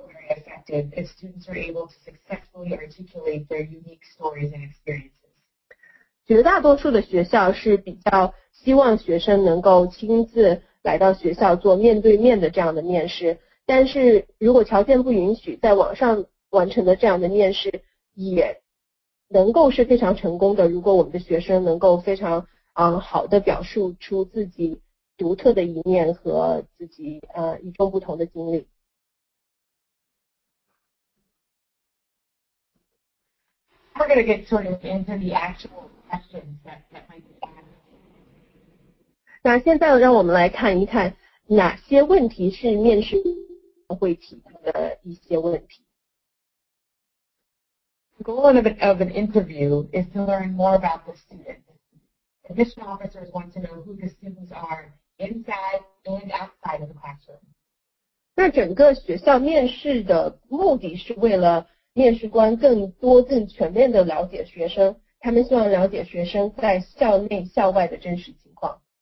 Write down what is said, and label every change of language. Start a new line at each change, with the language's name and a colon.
English: Effective if students are able to successfully articulate their unique stories and experiences.
Chinese: 绝大多数的学校是比较希望学生能够亲自来到学校做面对面的这样的面试，但是如果条件不允许，在网上完成的这样的面试也能够是非常成功的，如果我们的学生能够非常好的表述出自己独特的一面和自己与众不同的经历。
English: We're going to get sort of into the actual questions that might be asked.
Chinese: 那现在让我们来看一看哪些问题是面试会提的一些问题。
English: The goal of an interview is to learn more about the student. Admission officers want to know who the students are inside and outside of the classroom.
Chinese: 那整个学校面试的目的是为了面试官更多更全面的了解学生，他们希望了解学生在校内校外的真实情况。